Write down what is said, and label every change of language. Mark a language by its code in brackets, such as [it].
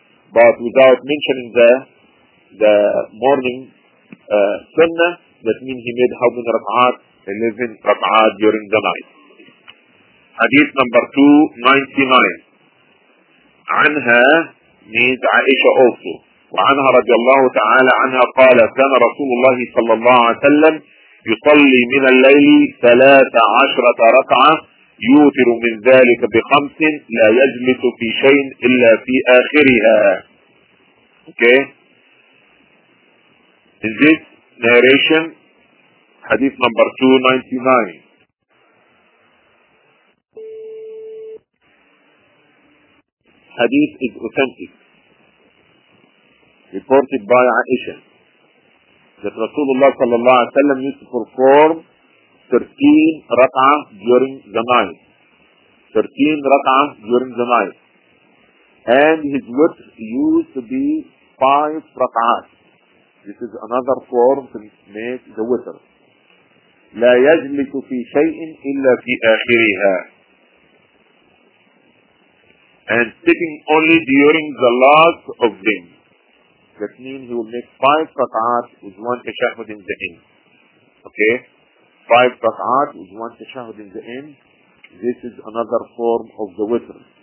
[en] But without mentioning the morning sunnah, that means he made how many rak'ah? 11 rak'at during the night. Hadith number 299. عنها means Aisha also. [ar] وعنها رضي الله تعالى عنها قال كان رسول الله صلى الله عليه وسلم يصلي من الليل 13 ركعة يوتر من ذلك بخمس لا يجلس في شيء إلا في آخرها. [en] Okay. In this narration, hadith number 299. Hadith is authentic. Reported by Aisha. That Rasulullah sallallahu alayhi wa sallam used to perform 13 rak'ah during the night. 13 rak'ah during the night. And his witr used to be 5 rak'ahs. This is another form to make the witr. [ar] لا يجلس في شيء إلا في آخرها. [en] And sitting only during the last of them. That means he will make 5 rak'ahs with 1 tashahud in the end. Okay? 5 rak'ahs with 1 tashahud in the end. This is another form of the witr.